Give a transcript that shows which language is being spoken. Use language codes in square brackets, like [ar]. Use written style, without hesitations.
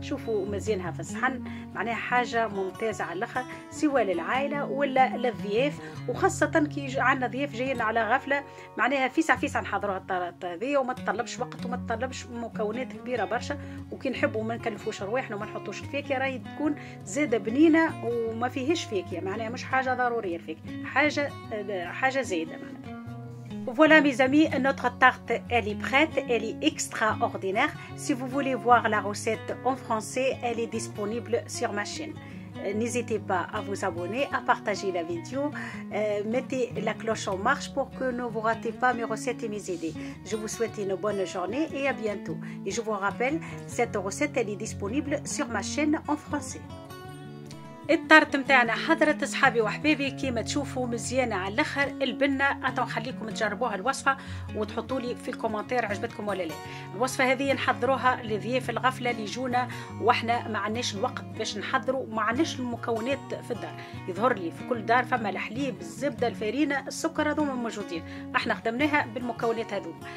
[ar] شوفوا مزينها في الصحن، معناها حاجة ممتازة على الأخر سوى للعائلة ولا للضيف، وخاصة كي عنا ضيف جايين على غفلة معناها فيسع فيسع نحضروها الطرات ذي، وما تطلبش وقت وما تطلبش مكونات كبيرة برشا، وكي نحبوا ما نكلفوش رواحنا وما نحطوش الفيكيا راهي تكون زادة بنينة وما فيهش فيكيا، معناها مش حاجة ضرورية الفيكيا، حاجة زادة معناها. [fr] Voilà mes amis, notre tarte elle est prête, elle est extraordinaire. Si vous voulez voir la recette en français, elle est disponible sur ma chaîne. N'hésitez pas à vous abonner, à partager la vidéo, mettez la cloche en marche pour que ne vous ratez pas mes recettes et mes idées. Je vous souhaite une bonne journée et à bientôt. Et je vous rappelle, cette recette elle est disponible sur ma chaîne en français. [ar] الطارت متاعنا حضرت صحابي وحبيبي كيما تشوفوا مزيانة على الاخر البنة، اتو نخليكم تجربوها الوصفة وتحطولي في الكومنتير عجبتكم ولا لا. الوصفة هذه نحضروها لضيف الغفلة اللي يجونا واحنا ما عندناش الوقت باش نحضروا، ما عندناش المكونات في الدار، يظهر لي في كل دار فما الحليب الزبدة الفارينة السكر هذوما موجودين، احنا خدمناها بالمكونات هذو.